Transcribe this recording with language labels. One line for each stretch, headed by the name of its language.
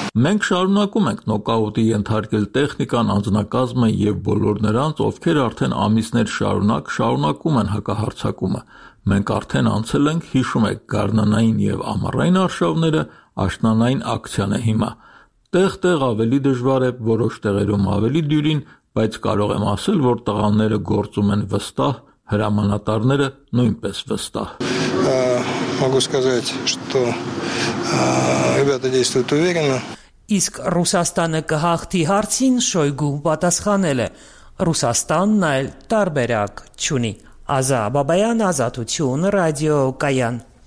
Armenian: Մենք շարունակում ենք նոկաուտի ենթարկել տեխնիկան, անձնակազմը եւ բոլոր նրանց, ովքեր արդեն ամիսներ շարունակում են հակահարցակումը։ Մենք արդեն անցել ենք, հիշում եք, գարնանային եւ ամառային արշավները աշնանային ակցիան է հիմա։ Տեղ-տեղ ավելի դժվար է, որոշ տեղերում ավելի դյուրին, բայց կարող եմ ասել, որ տղաները գործում են վստահ, հրամանատարները նույնպես վստահ։
Russian: Могу сказать, что ребята действуют уверенно.
Armenian: Իսկ Ռուսաստանը կհաղթի հարցին Շոյգու պատասխանել է. Ռուսաստանն այլ տարբերակ չունի։ Ազա Բաբայան, Ազատություն ռադիո, Կայան։